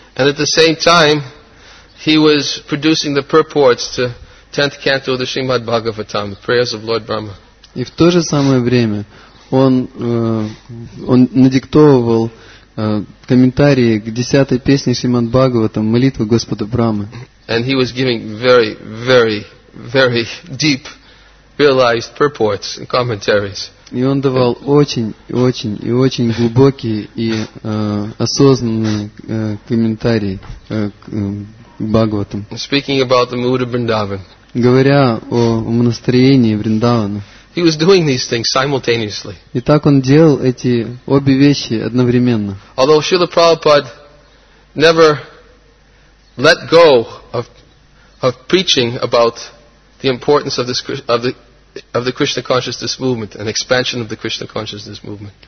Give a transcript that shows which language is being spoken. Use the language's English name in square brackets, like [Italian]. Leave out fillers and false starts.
[English] And at the same time, he was producing the purports to 10th canto of the Srimad Bhagavatam, the prayers of Lord Brahma. [Russian] И в то же самое время он надиктовывал комментарии к десятой песне Шримад Бхагаватам, молитвы Господа Брамы. [English] And he was giving very, very, very deep realized purports and commentaries. [Russian] И он давал очень глубокие и осознанные комментарии к Бхагаватам. [English] Speaking about the mood of Vrindavan. [Russian] Говоря о настроении Вриндавана. [English] He was doing these things simultaneously. [Russian] И так он делал эти обе вещи одновременно. [English] Although Srila Prabhupada never let go of preaching about the importance of the Krishna consciousness movement and expansion of the Krishna consciousness movement.